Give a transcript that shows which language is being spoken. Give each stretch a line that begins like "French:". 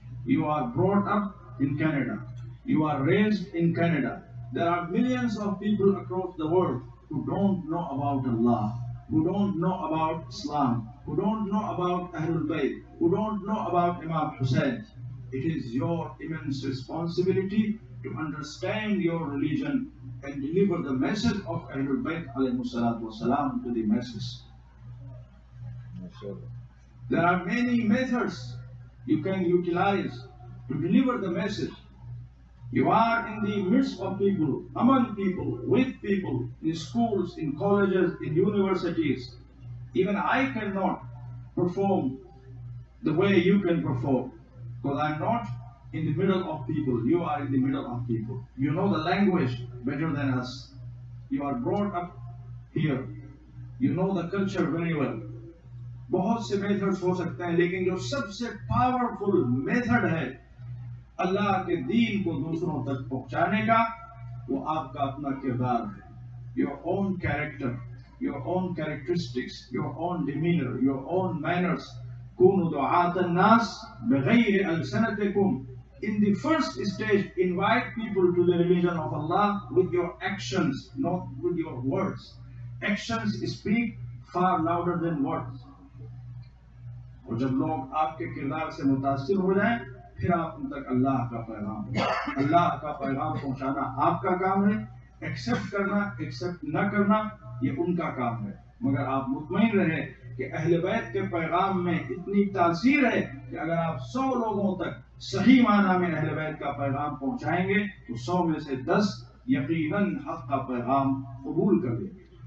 English: You are brought up in Canada, you are raised in Canada, there are millions of people across the world who don't know about Allah, who don't know about Islam, who don't know about اہل البیت, who don't know about imam Hussain. It is your immense responsibility to understand your religion and deliver the message of Ahlul Bayt alayhi salatu wa salam to the masses. There are many methods you can utilize to deliver the message. You are in the midst of people, among people, with people, in schools, in colleges, in universities. Even I cannot perform the way you can perform, because I am not in the middle of people, you are in the middle of people. You know the language better than us. You are brought up here. You know the culture very well.
Urdu: بہت سے methods ہو سکتے ہیں, لیکن جو سب سے powerful method ہے اللہ کے دین کو دوسروں تک پہنچانے کا, وہ آپ کا اپنا کردار ہے.
English: Your own character, your own characteristics, your own demeanor, your own manners.
Arabic: كونوا دعاة الناس بغير ألسنتكم.
English: In the first stage, invite people to the religion of Allah with your actions, not with your words. Actions speak far louder than words.
Urdu: اور جب لوگ آپ کے کردار سے متاثر ہو جائیں, پھر آپ ان تک اللہ کا پیغام اللہ کا پیغام پہنچانا آپ کا کام ہے. ایکسیپٹ کرنا, ایکسیپٹ نہ کرنا, یہ ان کا کام ہے. مگر آپ مطمئن رہے کہ اہل بیت کے پیغام میں اتنی تاثیر ہے کہ اگر آپ 100 لوگوں تک صحیح معنی میں اہل بیت کا پیغام پہنچائیں گے تو 100 میں سے 10 یقیناً حق کا پیغام قبول کر لیں گے.